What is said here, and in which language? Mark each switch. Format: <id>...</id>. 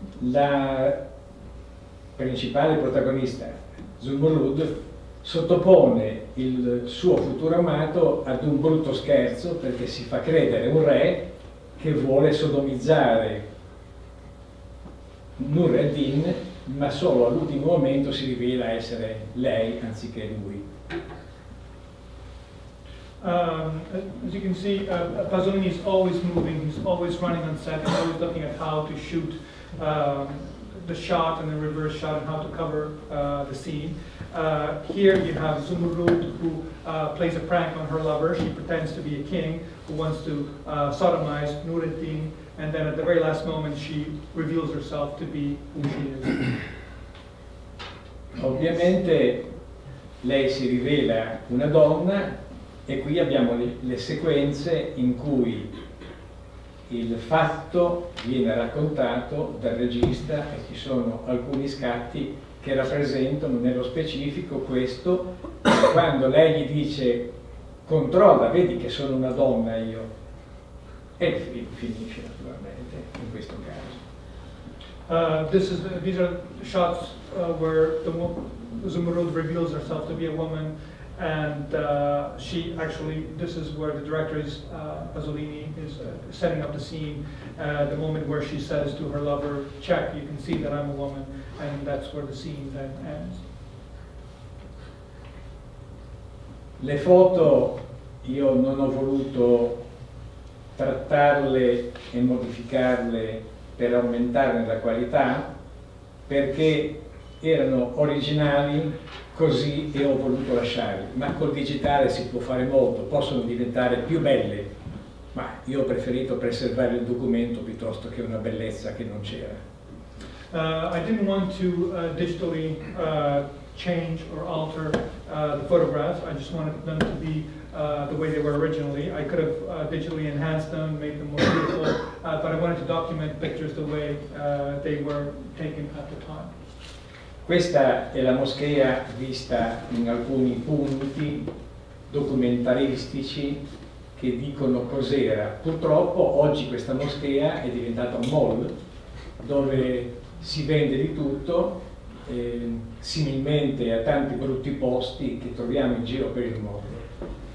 <it>La principale protagonista, Zumurrud, sottopone il suo futuro amato ad un brutto scherzo, perché si fa credere un re che vuole sodomizzare Nur ed-Din, ma solo all'ultimo momento si rivela essere lei anziché lui.</it> <en>As you can see, Pasolini is always moving, he's always running on set, he's always looking at how to shoot the shot and the reverse shot and how to cover the scene. Here you have Zumurrud, who plays a prank on her lover. She pretends to be a king who wants to sodomize Nur ed-Din, and then at the very last moment she reveals herself to be who she is.</en> <it>Ovviamente lei si rivela una donna, e qui abbiamo le sequenze in cui il fatto viene raccontato dal regista, e ci sono alcuni scatti che rappresentano nello specifico questo, quando lei gli dice: controlla, vedi che sono una donna io. E il film finisce naturalmente in questo caso.</it> <en>These are shots where Zumurrud reveals herself to be a woman, and she actually, this is where the director is, Pasolini, is setting up the scene, the moment where she says to her lover, check, you can see that I'm a woman, and that's where the scene then ends.</en> <it>Le foto, io non ho voluto trattarle e modificarle per aumentarne la qualità, perché erano originali così e ho voluto lasciarli, ma col digitale si può fare molto, possono diventare più belle, ma io ho preferito preservare il documento piuttosto che una bellezza che non c'era.</it> <en>I didn't want to digitally change or alter the photographs, I just wanted them to be the way they were originally. I could have digitally enhanced them, made them more beautiful, but I wanted to document pictures the way they were taken at the time.</en> <it>Questa è la moschea vista in alcuni punti documentaristici che dicono cos'era. Purtroppo oggi questa moschea è diventata un mall dove si vende di tutto, similmente a tanti brutti posti che troviamo in giro per il mondo.</it>